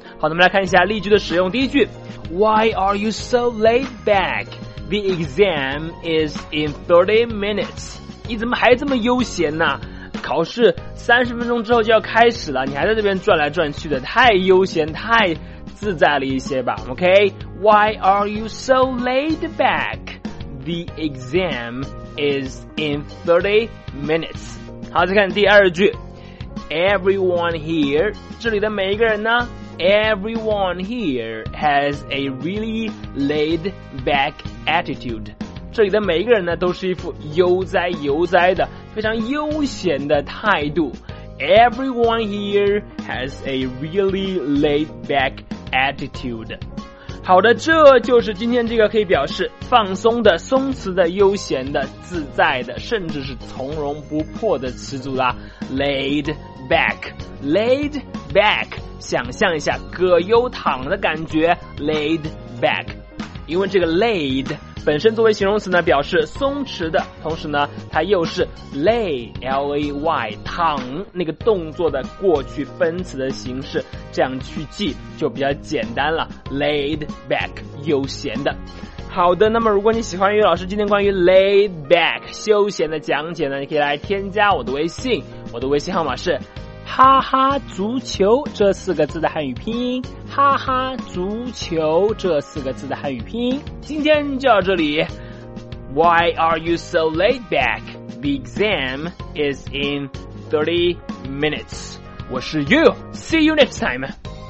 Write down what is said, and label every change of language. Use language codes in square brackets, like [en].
[zh] 好，我们来看一下例句的使用。第一句， [en] Why are you so laid back? The exam is in 30 minutes. [zh] 你怎么还这么悠闲呢？考试30分钟之后就要开始了，你还在这边转来转去的，太悠闲太自在了一些吧。 [en] OK, Why are you so laid back? The exam is in 30 minutes. [zh] 好，再看第二句， [en] Everyone here, [zh] 这里的每一个人呢， [en] Everyone here has a really laid back attitude. [zh] 这里的每一个人呢都是一副悠哉悠哉的非常悠闲的态度。 [en] Everyone here has a really laid back attitude. [zh] 好的，这就是今天这个可以表示放松的、松弛的、悠闲的、自在的，甚至是从容不迫的词组啦。 Laid back, laid back,想象一下葛优躺的感觉， laid back。因为这个 laid 本身作为形容词呢表示松弛的，同时呢它又是 lay, L-A-Y, 躺那个动作的过去分词的形式，这样去记就比较简单了， laid back, 悠闲的。好的，那么如果你喜欢悠悠老师今天关于 laid back 休闲的讲解呢，你可以来添加我的微信，我的微信号码是哈哈足球这四个字的汉语拼音，哈哈足球这四个字的汉语拼音。今天就到这里。 [en] Why are you so laid back? The exam is in 30 minutes. [zh] 我是 [en] You, See you next time.